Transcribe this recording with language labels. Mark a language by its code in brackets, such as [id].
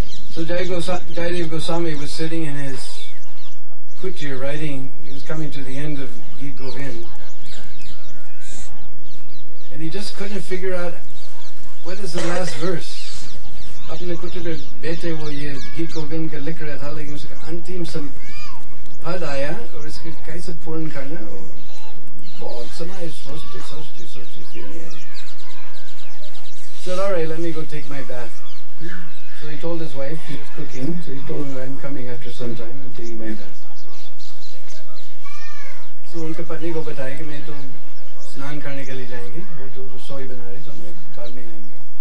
[en] So Jayadev Goswami was sitting in his kutya writing, he was coming to the end of Deena Bandhu. And he just couldn't figure out what is the last verse. [hi] अपने कुछ देर बैठे वो ये गीत गोविंद का लिख रहा था लेकिन उसका अंतिम सम पद आया और इसके कैसे पूर्ण करना है बहुत समय सोचते फिर नहीं आया. [en] So all right, let me go take my bath. So he told his wife, she was cooking, so he told her, I'm coming after some time, I'm taking my bath. [hi] So उनके पत्नी को बताया कि मैं तो स्नान करने के लिए जाएंगे, वो तो रसोई बना रहे तो हमें बाद में आएंगे.